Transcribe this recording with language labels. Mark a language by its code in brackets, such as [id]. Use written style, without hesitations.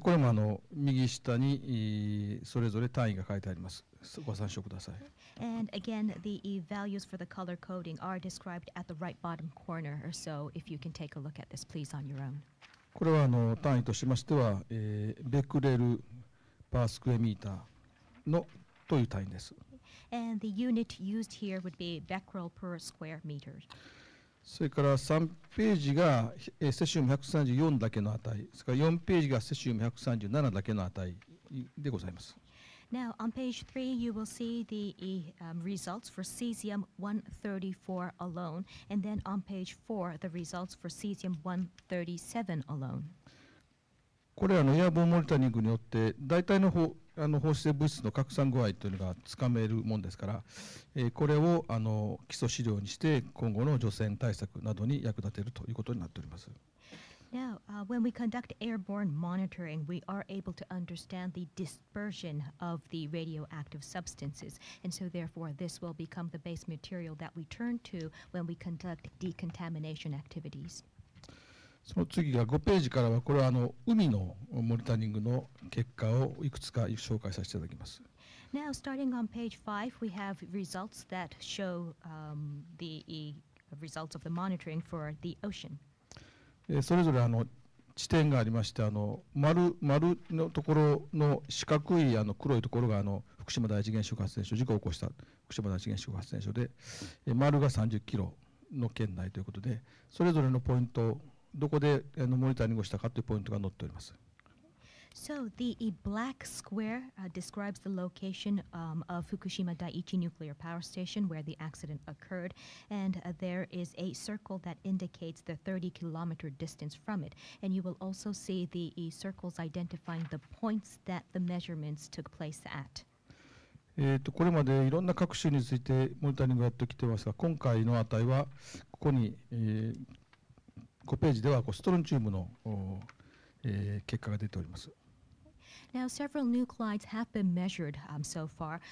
[ja] これも右下にそれぞれ単位が書いてあります。ご参照ください。 [en] And again, the values for the color coding are described at the right bottom corner. So if you can take a look at this, please on your own. [ja] これは単位としましては、ベクレルパースクエメーターのという単位です。 [en] And the unit used here would be becquerel per square meter. [ja] それから3ページがセシウム134だけの値、それから4ページがセシウム137だけの値でございます。 [en] Now, on page 3, you will see the results for cesium 134 alone, and then on page 4, the results for cesium 137 alone. [ja] これはエアボーンモニタリングによって大体の方放射性物質の拡散具合というのがつかめるものですから、これを基礎資料にして今後の除染対策などに役立てるということになっております。 [en] Now, when we conduct airborne monitoring, we are able to understand the dispersion of the radioactive substances. And so, therefore, this will become the base material that we turn to when we conduct decontamination activities. [ja] その次が5ページからは、これは海のモニタリングの結果をいくつか紹介させていただきます。 [en] Now, starting on page 5, we have results that show the results of the monitoring for the ocean. [ja] それぞれ地点がありまして、丸のところの四角い黒いところが福島第一原子力発電所、事故を起こした福島第一原子力発電所で、丸が30キロの圏内ということで、それぞれのポイントをどこでモニタリングをしたかというポイントが載っております。 [en] So the black square describes the location of Fukushima Daiichi nuclear power station where the accident occurred, and there is a circle that indicates the 30 kilometer distance from it. And you will also see the circles identifying the points that the measurements took place at. [ja] これまでいろんな各種についてモニタリングをやってきていますが、今回の値はここに。 5ページではストロンチウムの結果が出ております。 [en] Now, several nuclides have been measured so far.